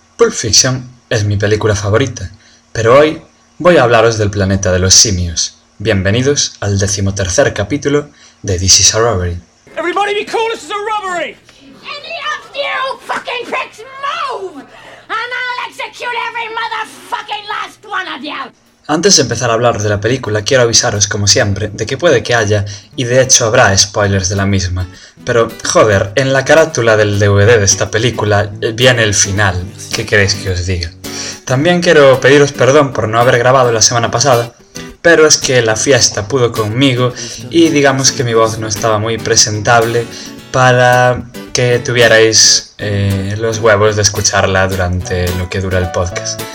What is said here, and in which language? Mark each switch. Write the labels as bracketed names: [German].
[Spanish] Pulp Fiction es mi película favorita, pero hoy voy a hablaros del planeta de los simios. Bienvenidos al decimotercer capítulo de This is a Robbery. [English] Everybody be cool, this is a robbery! Any of you fucking pricks move! And I'll execute every motherfucking last one of you! [Spanish] Antes de empezar a hablar de la película, quiero avisaros, como siempre, de que puede que haya, y de hecho habrá spoilers de la misma. Pero, joder, en la carátula del DVD de esta película viene el final. ¿Qué queréis que os diga? También quiero pediros perdón por no haber grabado la semana pasada, pero es que la fiesta pudo conmigo y digamos que mi voz no estaba muy presentable para que tuvierais los huevos de escucharla durante lo que dura el podcast.